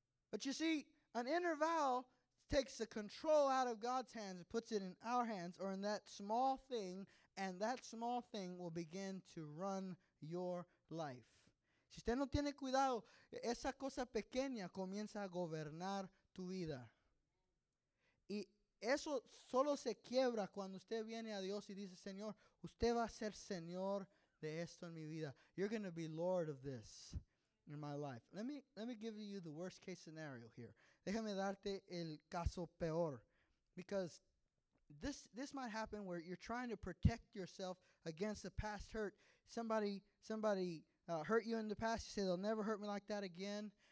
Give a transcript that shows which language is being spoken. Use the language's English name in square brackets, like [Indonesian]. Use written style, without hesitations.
[English] But you see, an inner vow takes the control out of God's hands and puts it in our hands or in that small thing, and that small thing will begin to run your life. [Spanish] Si usted no tiene cuidado, esa cosa pequeña comienza a gobernar tu vida. Y eso solo se quiebra cuando usted viene a Dios y dice, Señor, usted va a ser Señor de esto en mi vida. [English] You're going to be Lord of this in my life. Let me give you the worst case scenario here. [Spanish] Déjame darte el caso peor. [English] Because this might happen where you're trying to protect yourself against a past hurt. Somebody hurt you in the past. You say, they'll never hurt me like that again.